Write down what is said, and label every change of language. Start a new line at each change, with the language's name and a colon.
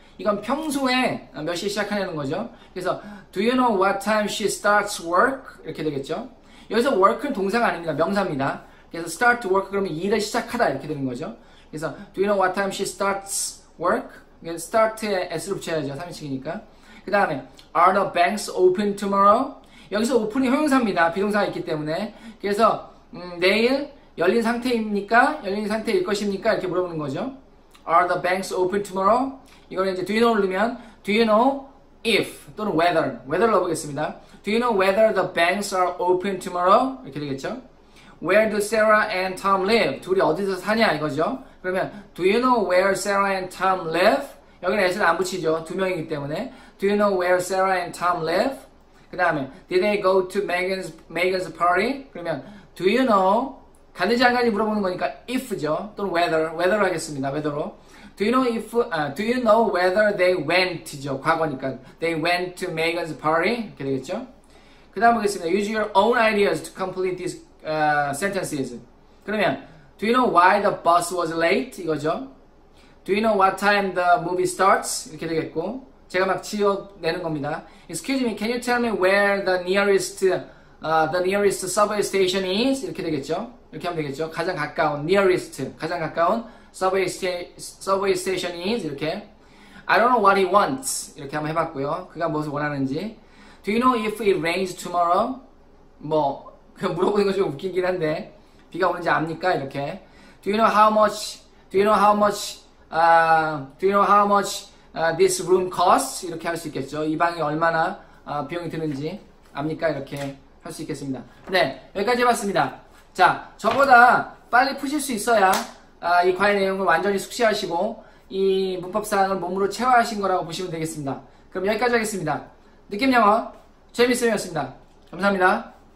Korean: 이건 평소에 몇 시에 시작하냐는 거죠. 그래서
English: Do you know what time she starts work?
Korean: 이렇게 되겠죠. 여기서 work은 동사가 아닙니다. 명사입니다. 그래서 start work 그러면 일을 시작하다 이렇게 되는 거죠.
English: 그래서 Do you know what time she starts work?
Korean: start에 s를 붙여야죠. 3인칭이니까. 그 다음에
English: Are the banks open tomorrow?
Korean: 여기서 open이 형용사입니다. 비동사가 있기 때문에. 그래서 내일 열린 상태입니까? 열린 상태일 것입니까? 이렇게 물어보는 거죠.
English: Are the banks open tomorrow?
Korean: 이걸 이제
English: Do you know를 넣으면 Do you know if 또는 whether. whether를
Korean: 넣어보겠습니다.
English: Do you know whether the banks are open tomorrow?
Korean: 이렇게 되겠죠.
English: Where do Sarah and Tom live?
Korean: 둘이 어디서 사냐 이거죠. 그러면
English: Do you know where Sarah and Tom live?
Korean: 여기는 S를 안 붙이죠. 두 명이기 때문에.
English: Do you know where Sarah and Tom live? 그 다음에 Did they go to Megan's party?
Korean: 그러면
English: Do you know?
Korean: 갔는지 안 갔는지 물어보는 거니까 if죠. 또는 whether. whether 하겠습니다. whether로.
English: Do you know if, do you know whether they went?죠.
Korean: 과거니까.
English: They went to Megan's party.
Korean: 이렇게 되겠죠. 그 다음 보겠습니다.
English: Use your own ideas to complete these sentences.
Korean: 그러면,
English: Do you know why the bus was late?
Korean: 이거죠.
English: Do you know what time the movie starts?
Korean: 이렇게 되겠고. 제가 막 지어내는 겁니다.
English: Excuse me, can you tell me where the nearest subway station is?
Korean: 이렇게 되겠죠. 이렇게 하면 되겠죠. 가장 가까운, nearest, 가장 가까운
English: subway station is,
Korean: 이렇게.
English: I don't know what he wants.
Korean: 이렇게 한번 해봤고요. 그가 무엇을 원하는지.
English: Do you know if it rains tomorrow?
Korean: 뭐, 그냥 물어보는 것이 좀 웃기긴 한데. 비가 오는지 압니까? 이렇게.
English: Do you know how much, do you know how much, do you know how much this room costs?
Korean: 이렇게 할 수 있겠죠. 이 방이 얼마나 비용이 드는지 압니까? 이렇게 할 수 있겠습니다. 네, 여기까지 해봤습니다. 자, 저보다 빨리 푸실 수 있어야 이 과외 내용을 완전히 숙지하시고 이 문법 사항을 몸으로 체화하신 거라고 보시면 되겠습니다. 그럼 여기까지 하겠습니다. 느낌 영어 재밌음이었습니다. 감사합니다.